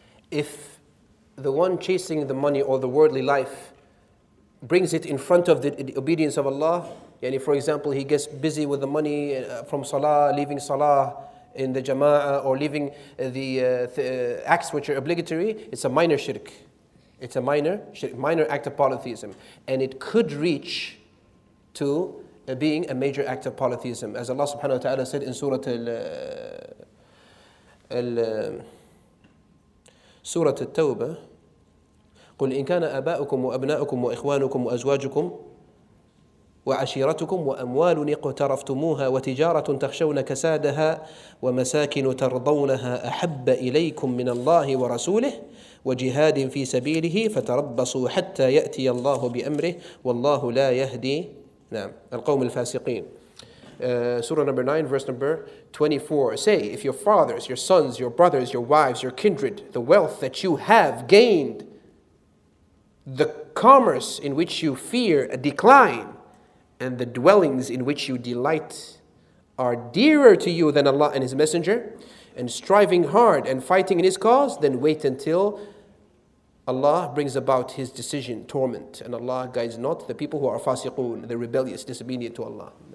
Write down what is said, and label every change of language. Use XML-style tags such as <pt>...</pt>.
<en>If the one chasing the money or the worldly life brings it in front of the obedience of Allah, and if, for example, he gets busy with the money from salah, leaving salah in the jama'ah, or leaving the acts which are obligatory, it's a minor shirk. It's a minor act of polytheism. And it could reach to being a major act of polytheism. As Allah subhanahu wa ta'ala said in Surah Al-Tawbah,</en> <ar>قُلْ إِنْ كَانَ أَبَاؤُكُمْ وَأَبْنَاؤُكُمْ وَإِخْوَانُكُمْ وَأَزْوَاجُكُمْ وعشيرتكم وأموال اقترفتموها وتجارة تخشون كسادها ومساكن ترضونها أحب إليكم من الله ورسوله وجهاد في سبيله فتربصوا حتى يأتي الله بأمره والله لا يهدي نعم القوم الفاسقين.</ar> <en>Surah number 9, verse number 24. Say, if your fathers, your sons, your brothers, your wives, your kindred, the wealth that you have gained, the commerce in which you fear a decline, and the dwellings in which you delight are dearer to you than Allah and His Messenger, and striving hard and fighting in His cause, then wait until Allah brings about His decision, torment, and Allah guides not the people who are fasiqoon, the rebellious, disobedient to Allah.</en>